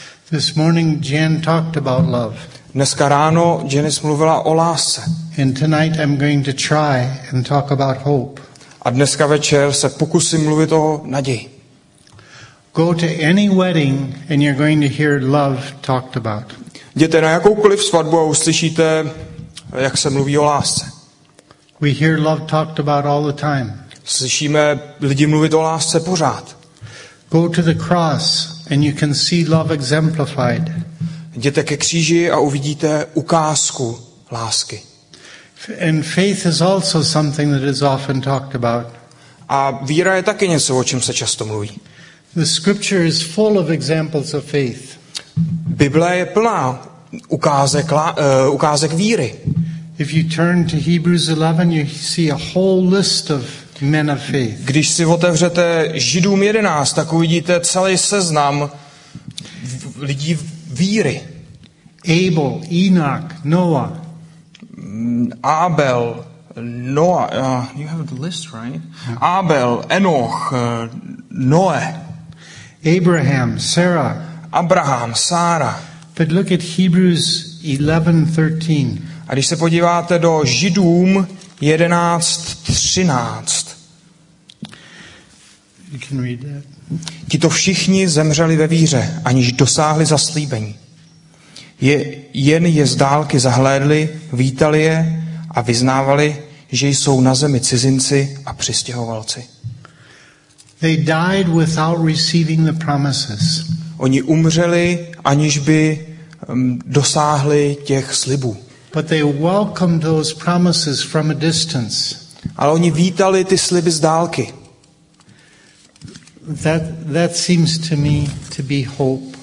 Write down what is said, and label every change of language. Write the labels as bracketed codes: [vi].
[en] This morning Jan talked about love. [cs] Dneska ráno Janice mluvila o lásce. [en] And tonight I'm going to try and talk about hope. [cs] A dneska večer se pokusím mluvit o naději. [en] Go to any wedding and you're going to hear love talked about. [cs] Jděte na jakoukoliv svatbu a uslyšíte, jak se mluví o lásce. [en] We hear love talked about all the time. [cs] Slyšíme lidi mluvit o lásce pořád. [en] Go to the cross and you can see love exemplified. [cs] Jděte ke kříži a uvidíte ukázku lásky. [en] And faith is also something that is often talked about. [cs] A víra je taky něco, o čem se často mluví. [en] The scripture is full of examples of faith. [cs] Bible je plná ukázek víry. [en] If you turn to Hebrews 11, you see a whole list of men of faith. [cs] Když si otevřete Židům 11, tak uvidíte celý seznam lidí víry. [en] Abel, Enoch, Noah. Abel, Noah. You have the list, right? [cs] Abel, Enoch, Noé. [en] Abraham, Sarah. [cs] Abraham, Sára. [en] But look at Hebrews 11:13. [cs] A když se podíváte do Židům 11:13. [en] You can read that. [cs] Tito všichni zemřeli ve víře, aniž dosáhli zaslíbení. Jen je z dálky zahlédli, vítali je a vyznávali, že jsou na zemi cizinci a přistěhovalci. [en] They died without receiving the promises. [cs] Oni umřeli, aniž by dosáhli těch slibů. [en] But they welcomed those promises from a distance. [cs] Ale oni vítali ty sliby z dálky. [en] That seems to me to be hope.